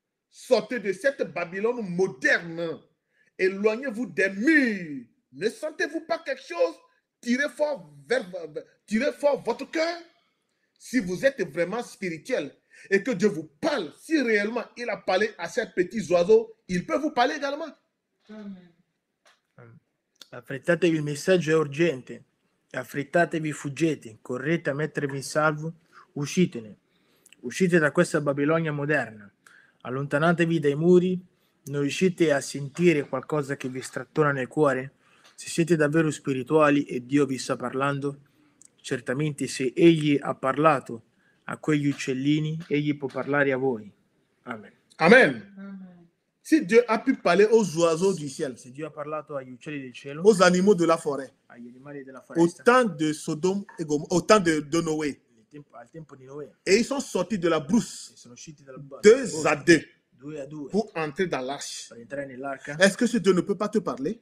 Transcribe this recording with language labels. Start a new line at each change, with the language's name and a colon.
French: Sortez de cette Babylone moderne. Éloignez-vous des murs. Ne sentez-vous pas quelque chose tirer fort votre cœur? Si vous êtes vraiment spirituel et que Dieu vous parle, si réellement il a parlé à ces petits oiseaux, il peut vous parler également. Amen.
Italian: Affrettatevi, il messaggio è urgente. Affrettatevi, fuggete, correte a mettervi in salvo, uscitene. Uscite da questa Babilonia moderna. Allontanatevi dai muri. Non riuscite a sentire qualcosa che vi strattona nel cuore? Se siete davvero spirituali e Dio vi sta parlando, certamente se Egli ha parlato a quegli uccellini, Egli può parlare a voi. Amen. Amen. Amen.
French: Si
Italian: Dio ha
French: pu parlare aux oiseaux du ciel,
Italian: se Dio ha parlato agli uccelli del cielo,
French: aux animaux de la forêt,
Italian: agli animali della foresta,
French: au temps de Sodome et Gomorra, au temps de Noé,
Italian: al tempo di Noé,
French: e ils sont sortis de la brousse,
Italian: e sono usciti dalla
French: deux à deux.
Italian: Due a due.
French: Pour entrer dans l'arche.
Italian: Per entrare nell'arca.
French: Est-ce que ce Dieu ne peut pas te parler?